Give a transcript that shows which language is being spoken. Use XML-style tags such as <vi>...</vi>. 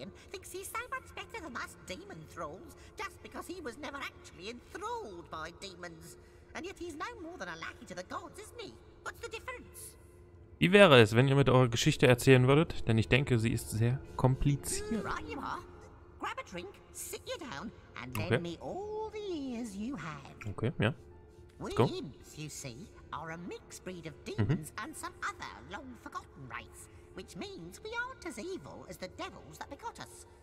<en>Thinks he's so much better than us demon thralls just because he was never actually enthralled by demons. And yet he's no more than a lackey to the gods, isn't he? What's the difference?</en> <de>Wie wäre es, wenn ihr mit eurer Geschichte erzählen würdet? Denn ich denke, sie ist sehr kompliziert.</de> <en>Right you are. Grab a drink, sit you down, and lend me all the ears you have.</en> <de>Okay, ja.</de> <en>Let's go. We imps, you see, are a mixed breed of demons and some other long-forgotten wraiths. Which means we aren't as evil as the devils that begot us.</en>